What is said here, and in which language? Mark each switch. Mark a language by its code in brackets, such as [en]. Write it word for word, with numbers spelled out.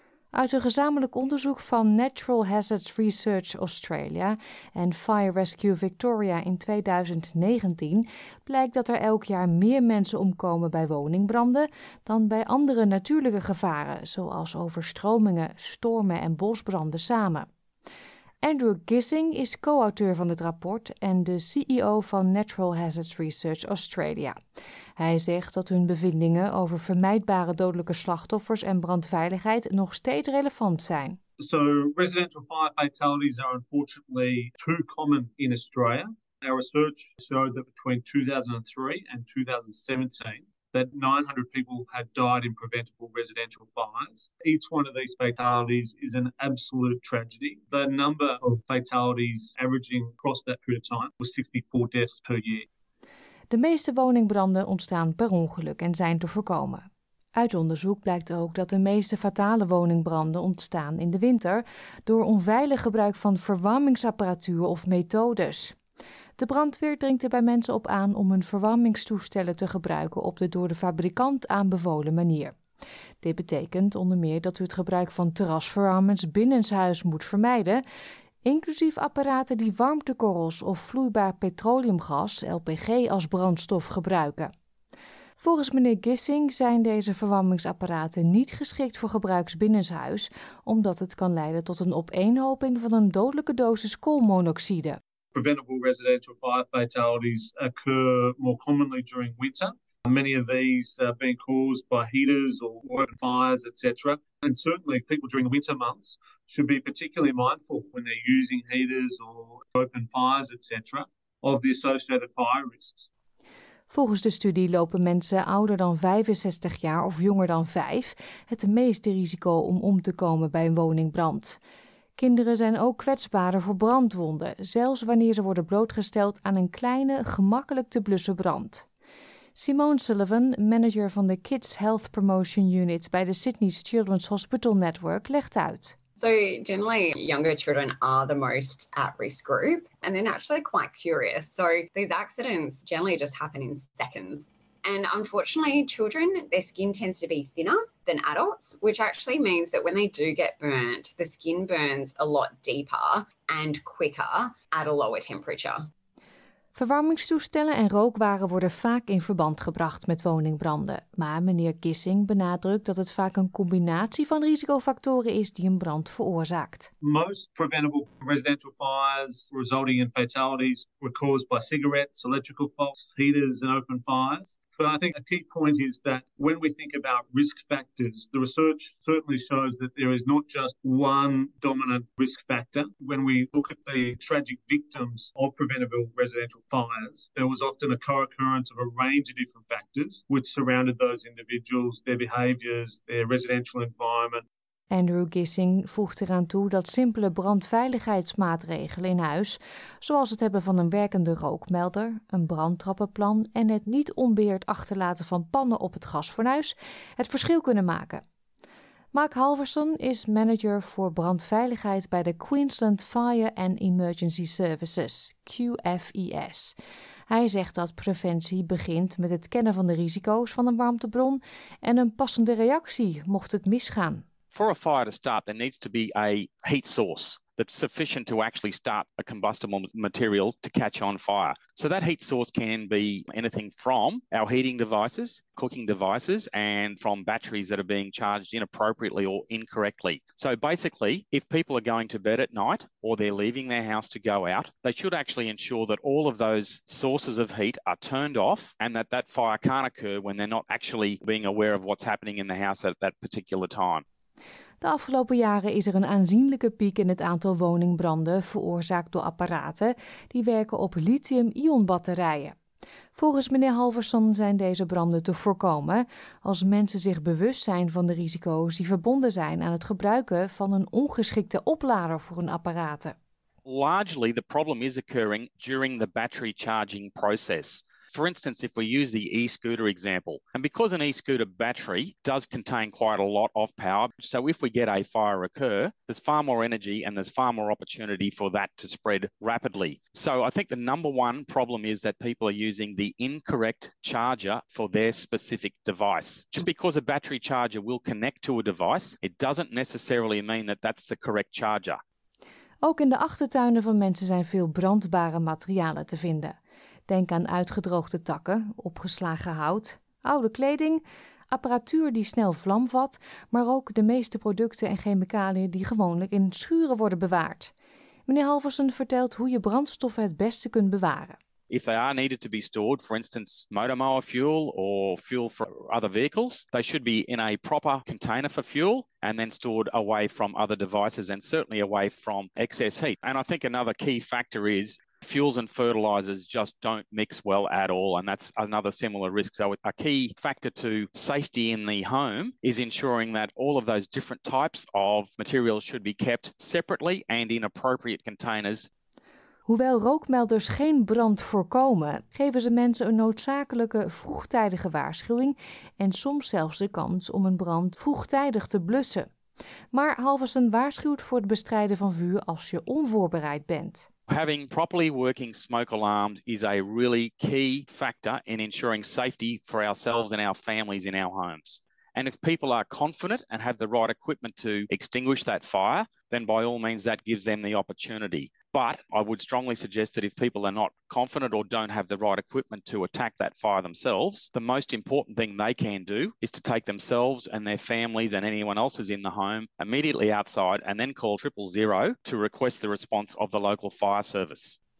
[nl] Uit een gezamenlijk onderzoek van Natural Hazards Research Australia en Fire Rescue Victoria in tweeduizend negentien blijkt dat er elk jaar meer mensen omkomen bij woningbranden dan bij andere natuurlijke gevaren, zoals overstromingen, stormen en bosbranden samen. Andrew Gissing is co-auteur van het rapport en de C E O van Natural Hazards Research Australia. Hij zegt dat hun bevindingen over vermijdbare dodelijke slachtoffers en brandveiligheid nog steeds relevant zijn. [en] So residential fire fatalities are unfortunately too common in Australia. Our research showed that between two thousand three and two thousand seventeen, that nine hundred people had died in preventable residential fires. Each one of these fatalities is an absolute tragedy. The number of fatalities averaging across that period of time was sixty-four deaths per year. [nl] De meeste woningbranden ontstaan per ongeluk en zijn te voorkomen. Uit onderzoek blijkt ook dat de meeste fatale woningbranden ontstaan in de winter door onveilig gebruik van verwarmingsapparatuur of methodes. De brandweer dringt er bij mensen op aan om hun verwarmingstoestellen te gebruiken op de door de fabrikant aanbevolen manier. Dit betekent onder meer dat u het gebruik van terrasverwarmers binnenshuis moet vermijden, inclusief apparaten die warmtekorrels of vloeibaar petroleumgas, L P G, als brandstof gebruiken. Volgens meneer Gissing zijn deze verwarmingsapparaten niet geschikt voor gebruiks binnenshuis, omdat het kan leiden tot een opeenhoping van een dodelijke dosis koolmonoxide. [en] Preventable residential fire fatalities occur more commonly during winter. Many of these are being caused by heaters or open fires, et cetera. And certainly people during the winter months should be particularly mindful when they're using heaters or open fires, et cetera, of the associated fire risks. [nl] Volgens de studie lopen mensen ouder dan vijfenzestig jaar of jonger dan vijf het meeste risico om om te komen bij een woningbrand. Kinderen zijn ook kwetsbaarder voor brandwonden, zelfs wanneer ze worden blootgesteld aan een kleine, gemakkelijk te blussen brand. Simone Sullivan, manager van de Kids Health Promotion Unit bij de Sydney's Children's Hospital Network, legt uit. [en] So generally, younger children are the most at-risk group, and they're naturally quite curious. So these accidents generally just happen in seconds. And unfortunately, children, their skin tends to be thinner than adults, which actually means that when they do get burnt, the skin burns a lot deeper and quicker at a lower temperature. [nl] Verwarmingstoestellen en rookwaren worden vaak in verband gebracht met woningbranden. Maar meneer Gissing benadrukt dat het vaak een combinatie van risicofactoren is die een brand veroorzaakt. [en] Most preventable residential fires resulting in fatalities were caused by cigarettes, electrical faults, heaters and open fires. But I think a key point is that when we think about risk factors, the research certainly shows that there is not just one dominant risk factor. When we look at the tragic victims of preventable residential fires, there was often a co-occurrence of a range of different factors which surrounded those individuals, their behaviours, their residential environment. [nl] Andrew Gissing voegt eraan toe dat simpele brandveiligheidsmaatregelen in huis, zoals het hebben van een werkende rookmelder, een brandtrappenplan en het niet onbeheerd achterlaten van pannen op het gasfornuis, het verschil kunnen maken. Mark Halverson is manager voor brandveiligheid bij de Queensland Fire and Emergency Services, Q F E S. Hij zegt dat preventie begint met het kennen van de risico's van een warmtebron en een passende reactie mocht het misgaan. [en] For a fire to start, there needs to be a heat source that's sufficient to actually start a combustible material to catch on fire. So that heat source can be anything from our heating devices, cooking devices, and from batteries that are being charged inappropriately or incorrectly. So basically, if people are going to bed at night or they're leaving their house to go out, they should actually ensure that all of those sources of heat are turned off and that that fire can't occur when they're not actually being aware of what's happening in the house at that particular time. [nl] De afgelopen jaren is er een aanzienlijke piek in het aantal woningbranden veroorzaakt door apparaten die werken op lithium-ion batterijen. Volgens meneer Halverson zijn deze branden te voorkomen als mensen zich bewust zijn van de risico's die verbonden zijn aan het gebruiken van een ongeschikte oplader voor hun apparaten. [en] Largely the problem is occurring during the battery charging process. For instance, if we use the e-scooter example, and because an e-scooter battery does contain quite a lot of power, so if we get a fire occur, there's far more energy and there's far more opportunity for that to spread rapidly. So I think the number one problem is that people are using the incorrect charger for their specific device. Just because a battery charger will connect to a device, it doesn't necessarily mean that that's the correct charger. [nl] Ook in de achtertuinen van mensen zijn veel brandbare materialen te vinden. Denk aan uitgedroogde takken, opgeslagen hout, oude kleding, apparatuur die snel vlam vat, maar ook de meeste producten en chemicaliën die gewoonlijk in schuren worden bewaard. Meneer Halversen vertelt hoe je brandstoffen het beste kunt bewaren. [en] If they are needed to be stored, for instance, motor mower fuel or fuel for other vehicles, they should be in a proper container for fuel and then stored away from other devices and certainly away from excess heat. And I think another key factor is fuels and fertilizers just don't mix well at all, and that's another similar risk. So a key factor to safety in the home is ensuring that all of those different types of materials should be kept separately and in appropriate containers. [nl] Hoewel rookmelders geen brand voorkomen, geven ze mensen een noodzakelijke vroegtijdige waarschuwing en soms zelfs de kans om een brand vroegtijdig te blussen. Maar Halversen waarschuwt voor het bestrijden van vuur als je onvoorbereid bent. [en] Having properly working smoke alarms is a really key factor in ensuring safety for ourselves and our families in our homes. And if people are confident and have the right equipment to extinguish that fire, then by all means that gives them the opportunity. But I would strongly suggest that if people are not confident or don't have the right equipment to attack that fire themselves, the most important thing they can do is to take themselves and their families and anyone else's in the home immediately outside and then call triple zero to request the response of the local fire service.